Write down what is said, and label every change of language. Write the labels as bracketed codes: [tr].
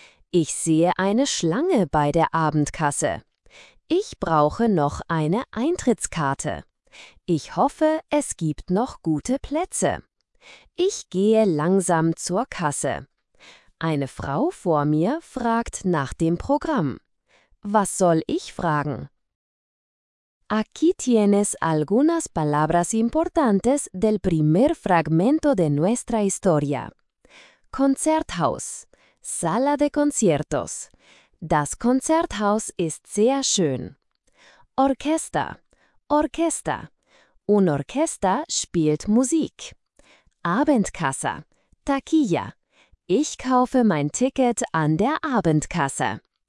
[de] Ich sehe eine Schlange bei der Abendkasse. Ich brauche noch eine Eintrittskarte. Ich hoffe, es gibt noch gute Plätze. Ich gehe langsam zur Kasse. Eine Frau vor mir fragt nach dem Programm. Was soll ich fragen? [es] Aquí tienes algunas palabras importantes del primer fragmento de nuestra historia. Konzerthaus, Sala de Conciertos. [de] Das Konzerthaus ist sehr schön. Orchester, Orchester. Un Orchester spielt Musik. Abendkasse, Taquilla. Ich kaufe mein Ticket an der Abendkasse.